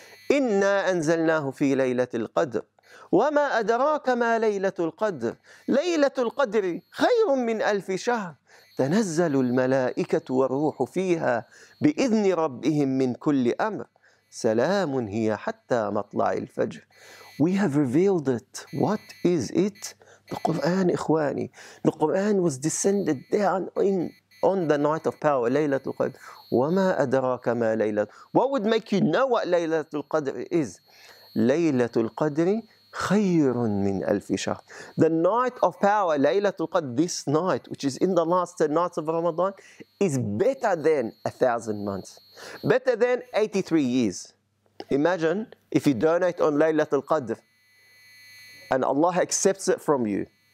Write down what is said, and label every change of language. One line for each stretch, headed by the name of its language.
Arabic: إِنَّا أَنزَلْنَاهُ فِي لَيْلَةِ الْقَدْرِ وَمَا أَدْرَاكَ مَا لَيْلَةُ الْقَدْرِ لَيْلَةُ الْقَدْرِ خَيْرٌ مِّنْ أَلْفِ شَهْرٍ تَنَزَّلُ الْمَلَائِكَةُ وَالرُّوحُ فِيهَا بِإِذْنِ رَبِّهِمْ مِّنْ كُلِّ أَمْرٍ سَلَامٌ هِيَ حَتَّى مَطْلَعِ الْفَجْرِ.
English: We have revealed it. What is it? The Qur'an, ikhwani. The Qur'an was descended down on the night of power, Laylatul Qadr.
Arabic: وَمَا أَدْرَاكَ مَا لَيْلَةُ.
English: What would make you know what Laylatul Qadr is?
Arabic: Laylatul Qadri خَيْرٌ مِّنْ أَلْفِ شَهْرٍ.
English: The night of power, Laylatul Qadr, this night, which is in the last 10 nights of Ramadan, is better than 1,000 months. Better than 83 years. Imagine if you donate on Laylatul Qadr and Allah accepts it from you.